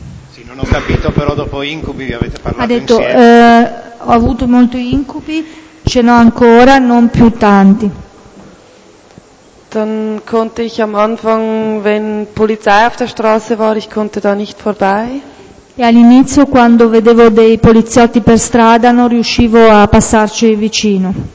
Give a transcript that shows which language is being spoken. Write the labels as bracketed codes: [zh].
[it] Sì, non ho capito, però dopo incubi vi avete parlato. Ha detto ho avuto molti incubi, ce n'ho ancora, non più tanti. [de] Dann konnte ich am Anfang, wenn Polizei auf der Straße war, ich konnte da nicht vorbei. [it] E all'inizio, quando vedevo dei poliziotti per strada, non riuscivo a passarci vicino.